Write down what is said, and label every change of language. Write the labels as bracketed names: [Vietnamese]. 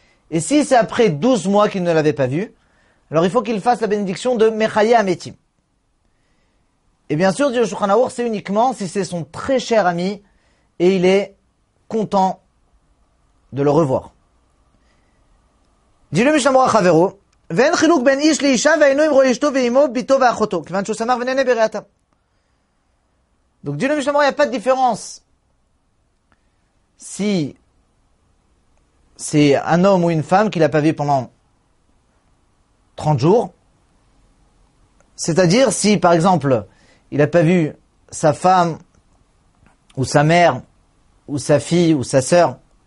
[French] Et si c'est après 12 mois qu'il ne l'avait pas vu, alors il faut qu'il fasse la bénédiction de Mechaye Ametim. Et bien sûr, dit le Shulchan Aruch, c'est uniquement si c'est son très cher ami et il est content de le revoir. Dit le [Hebrew] Mishnah Berurah Chavero, ואין חילוק בין איש לאישה ואינו עם רואה אשתו ואימו, ביתו ואחותו, כיוון שהוא שמח ונהנה בריאתה. [French] Donc, Dieu le Mishnah Berurah, il n'y a pas de différence si c'est un homme ou une femme qu'il n'a pas vu pendant 30 jours. C'est-à-dire si, par exemple, il n'a pas vu sa femme ou sa mère ou sa fille ou sa sœur.